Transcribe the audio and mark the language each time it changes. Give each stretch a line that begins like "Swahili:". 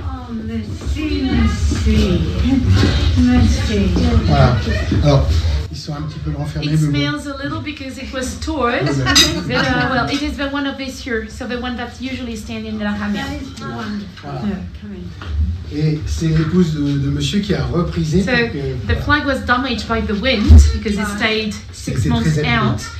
French: Merci, merci. Voilà. Alors, ils sont un petit peu renfermés.
English: It smells a little because it was torn. Well, it is the one of this year, so the one that usually stands in the hamel.
French: Voilà. Et c'est l'épouse de monsieur qui a reprisé.
English: So,
French: donc,
English: the flag was damaged by the wind because it stayed six months out.